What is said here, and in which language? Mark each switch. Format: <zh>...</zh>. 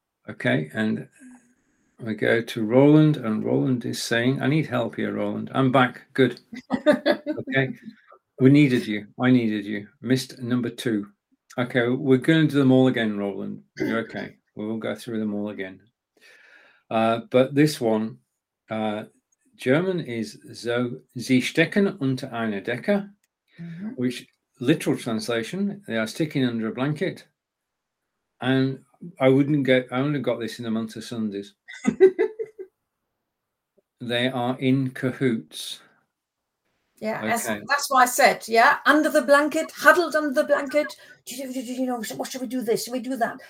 <en>Okay, and we go to Roland, and Roland is saying, I need help here, Roland. I'm back. Good. Okay. We needed you. I needed you. Missed number two. Okay, we're going to do them all again, Roland. You're okay. We will go through them all again. But this one, German is so,</en> <de>sie stecken unter einer Decke,</de> <en>mm-hmm. which literal translation, they are sticking under a blanket. And I only got this in the month of Sundays. They are in cahoots. Yeah, okay. That's what I said. Yeah, under the blanket, huddled under the blanket. Do you know, what should we do this? Should we do that?</en>